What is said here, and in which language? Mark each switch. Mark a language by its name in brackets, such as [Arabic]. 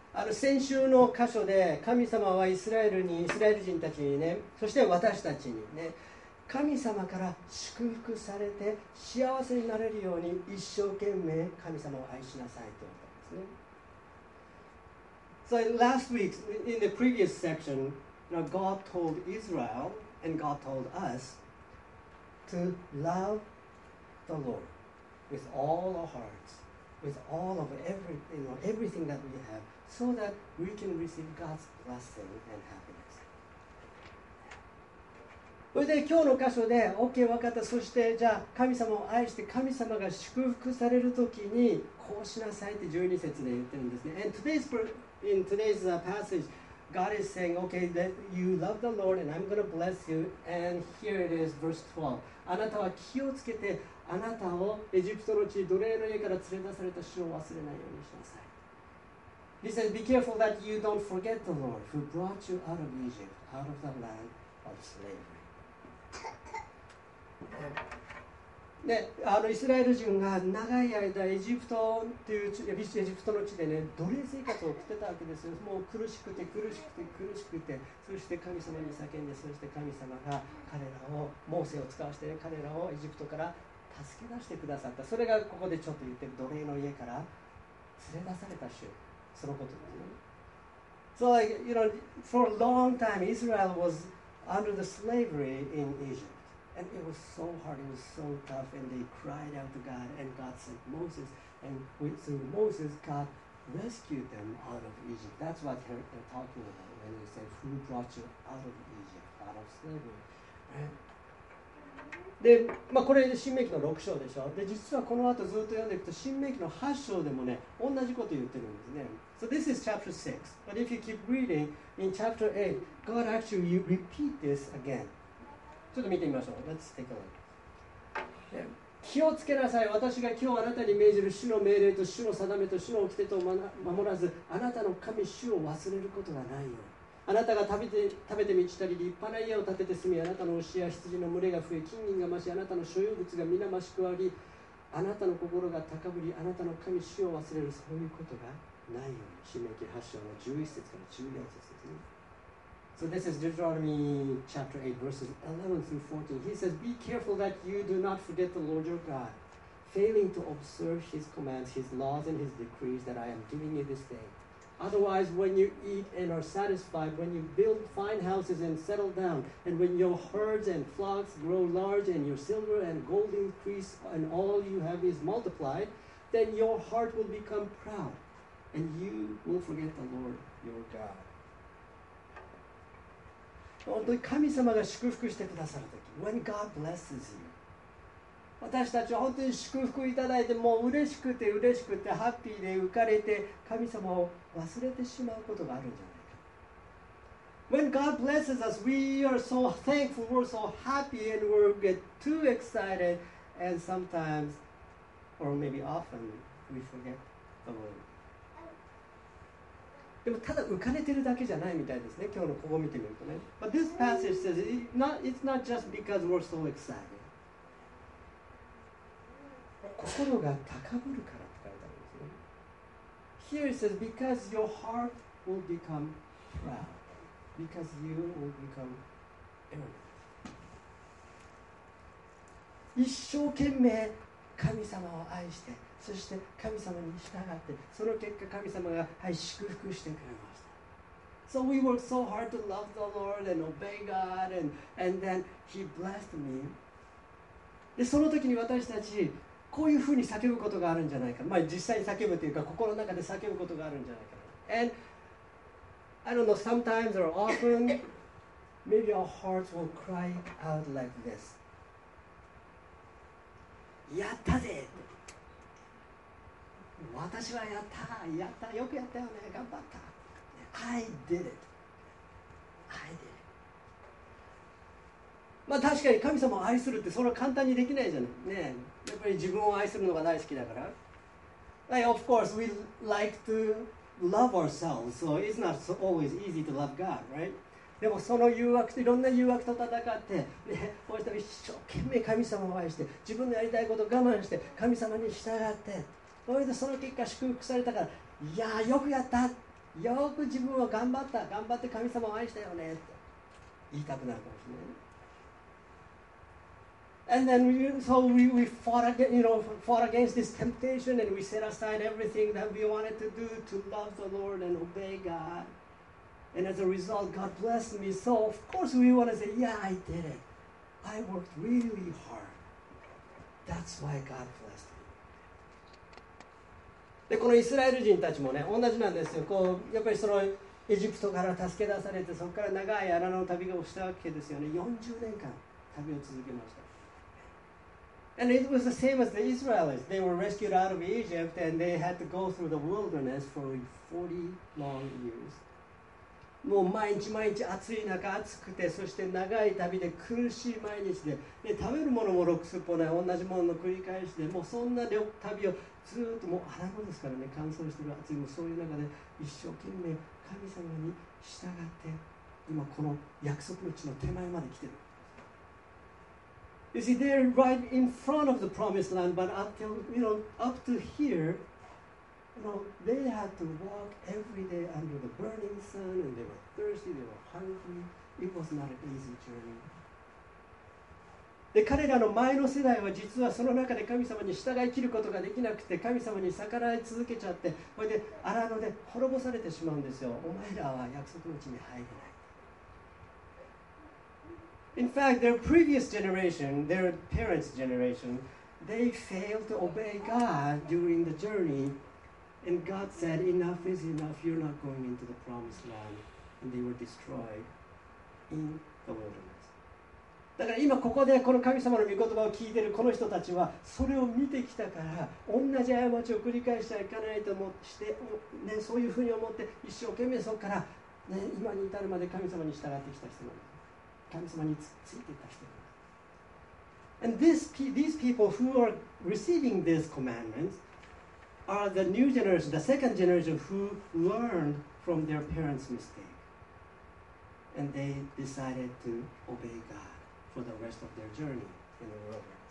[Japanese] 先週の箇所で神様はイスラエル人たちにね、そして私たちにね、神様から祝福されて幸せになれるように一生懸命神様を愛しなさいと言ったんですね。 [English] So in last week, in the previous section, you know, God told Israel and God told us to love the Lord with all our hearts, with all of everything that we have, so that we can receive God's blessing and happiness. [Japanese] それで今日の箇所で OK 分かった、そしてじゃあ神様を愛して神様が祝福されるときにこうしなさいって12節で言ってるんですね。 [English] And today's, in today's passage God is saying OK that you love the Lord and I'm going to bless you and here it is verse 12. [Japanese] あなたは気をつけてあなたをエジプトの地奴隷の家から連れ出された主を忘れないようにしなさい。 [English] He says be careful that you don't forget the Lord who brought you out of Egypt, out of the land of slavery。 [Japanese] で、あのイスラエル人が長い間エジプトという地、エジプトの地でね、奴隷生活を送ってたわけですよ。もう苦しくて苦しくて苦しくて、そして神様に叫んで、そして神様が彼らを、モーセを使わせて、ね、彼らをエジプトから助け出してくださった。それがここでちょっと言ってる奴隷の家から連れ出された主、そのことですよ。 [English] So like, you know, for a long time Israel was under the slavery in Egypt. And it was so hard, it was so tough, and they cried out to God, and God sent Moses, and with, through Moses, God rescued them out of Egypt. That's what they're talking about when they say, who brought you out of Egypt, out of slavery. [Japanese] で、まあ、これ、新明記の6章でしょ。で、実はこの後ずっと読んでいくと、新明記の8章でもね、同じこと言ってるんですね。 [English] So this is chapter 6. But if you keep reading, in chapter 8, God actually repeat this again. [Japanese] ちょっと見てみましょう。 [English] Let's take a look. [Japanese] 気をつけなさい。私が今日あなたに命じる主の命令と主の定めと主の掟と守らず、あなたの神主を忘れることがないように。あなたが食べて満ちたり、立派な家を建てて住み、あなたの牛や羊の群れが増え、金銀が増し、あなたの所有物が皆増し加わり、あなたの心が高ぶり、あなたの神主を忘れる、そういうことがないように。新明記8章の11節から14節ですね。 [English] So this is Deuteronomy chapter 8, verses 11 through 14. He says, Be careful that you do not forget the Lord your God, failing to observe his commands, his laws, and his decrees that I am giving you this day. Otherwise, when you eat and are satisfied, when you build fine houses and settle down, and when your herds and flocks grow large, and your silver and gold increase, and all you have is multiplied, then your heart will become proud, and you will forget the Lord your God. [Japanese] 本当に神様が祝福してくださるとき、 [English] When God blesses you, [Japanese] 私たちは本当に祝福いただいて、もう嬉しくて嬉しくて、ハッピーで浮かれて、神様を忘れてしまうことがあるんじゃないか。 [English] When God blesses us, we are so thankful, we're so happy, and we get too excited, and sometimes, or maybe often, we forget the Lord. [Japanese] でもただ浮かれてるだけじゃないみたいですね。今日のここ見てみるとね。 [English] But this passage says it's not just because we're so excited. [Japanese] 心が高ぶるからって書いてあるんですね。 [English] Here it says because your heart will become proud. Because you will become arrogant. [Japanese] 一生懸命神様を愛して、そして神様に従って、その結果神様が、はい、祝福してくれました。 [English] So we worked so hard to love the Lord and obey God and then he blessed me. [Japanese] でその時に私たちこういうふうに叫ぶことがあるんじゃないか、まあ実際に叫ぶというか心の中で叫ぶことがあるんじゃないか。 [English] And I don't know, sometimes or often maybe our hearts will cry out like this. [Japanese] やったぜ、私はやった、やった、よくやったよね、頑張った、 [English] I did it、 I did it。 [Japanese] まあ確かに神様を愛するってそれは簡単にできないじゃない、ね、やっぱり自分を愛するのが大好きだから。 [English] Like, of course we like to love ourselves, so it's not so always easy to love God, right? [Japanese] でもその誘惑といろんな誘惑と戦って、ね、こうしたら一生懸命神様を愛して、自分のやりたいことを我慢して神様に従って、その結果祝福されたから、いやーよくやった、よく自分は頑張った、頑張って神様を愛したよねって言いたくなるかもしれない。 [English] And then we, so we fought, again, you know, fought against this temptation and we set aside everything that we wanted to do to love the Lord and obey God. And as a result, God blessed me. So of course we want to say, yeah, I did it. I worked really hard. That's why God blessed me. [Japanese] でこのイスラエル人たちもね、同じなんですよ。こうやっぱりそのエジプトから助け出されて、そこから長い荒野の旅をしたわけですよね。 40年間旅を続けました。 [English] And it was the same as the Israelites. They were rescued out of Egypt and they had to go through the wilderness for 40 long years. [Japanese] もう毎日毎日暑い中、暑くて、そして長い旅で苦しい毎日 で食べるものもろくすっぽない、同じものの繰り返しで、もうそんな旅をずっともう荒野ですからね、乾燥してる暑い、もそういう中で一生懸命神様に従って、今この約束の地の手前まで来てる。 [English] You see, they're right in front of the promised land, but until, you know, up to here, you know, they had to walk every day under the burning sun, and they were thirsty, they were hungry. It was not an easy journey. [Japanese] で、彼らの前の世代は実はその中で神様に従い切ることができなくて、神様に逆らい続けちゃって、これで荒野で滅ぼされてしまうんですよ。お前らは約束の地に入れない。 [English] In fact, their previous generation, their parents' generation, they failed to obey God during the journey. And God said, enough is enough, you're not going into the promised land. And they were destroyed in the wilderness. [Japanese] だから今ここでこの神様の御言葉を聞いているこの人たちは、それを見てきたから、同じ過ちを繰り返してはいかないと思って、ね、そういうふうに思って、一生懸命そこから、ね、今に至るまで神様に従ってきた人なんです。神様についていた人。 [English] And this, these people who are receiving these commandments are the new generation, the second generation who learned from their parents' mistake. And they decided to obey God for the rest of their journey in the wilderness.